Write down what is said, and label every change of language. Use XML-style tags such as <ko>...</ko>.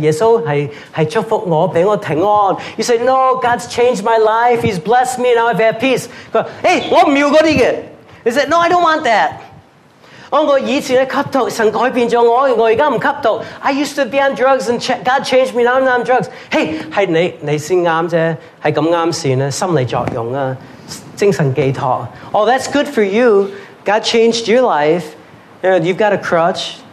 <zh>你告诉他,不是我生命改变,耶稣是祝福我,给我平安。</zh> <en>You say, no, God's changed my life, he's blessed me, now I've had peace.</en> <zh>他说,我不要那些。</zh> <en>He said, no, I don't want that.</en> <zh>我以前吸毒,神改变了我,我现在不吸毒。</zh> <en>I used to be on drugs, and God changed me, now I'm not on drugs.</en> <zh>是你才对,是这样才对,心理作用,精神寄托。</zh> <en>Oh, that's good for you, God changed your life, you know, you've got a crutch.</en>